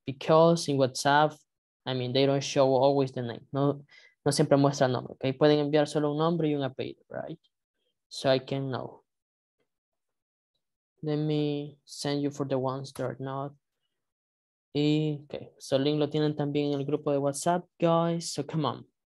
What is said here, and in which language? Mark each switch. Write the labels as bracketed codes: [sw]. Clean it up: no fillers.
[en] Because in WhatsApp, I mean, they don't show always the name. [es] No siempre muestra el nombre, okay? Pueden enviar solo un nombre y un apellido, right? [en] So I can know. Let me send you for the ones that are not. [es] Y, okay, so link lo tienen también en el grupo de WhatsApp, guys. [en] So come on.